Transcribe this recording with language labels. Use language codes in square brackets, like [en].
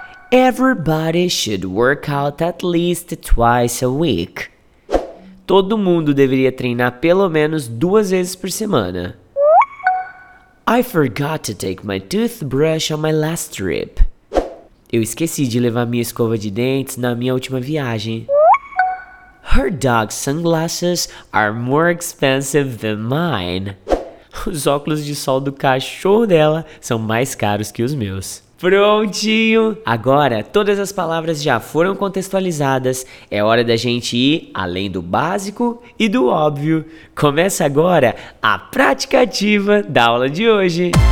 [en] Everybody should work out at least twice a week. [pt] Todo mundo deveria treinar pelo menos duas vezes por semana. [en] I forgot to take my toothbrush on my last trip. [pt] Eu esqueci de levar minha escova de dentes na minha última viagem. [en] Her dog's sunglasses are more expensive than mine. [pt] Os óculos de sol do cachorro dela são mais caros que os meus. Prontinho! Agora, todas as palavras já foram contextualizadas. É hora da gente ir além do básico e do óbvio. Começa agora a prática ativa da aula de hoje.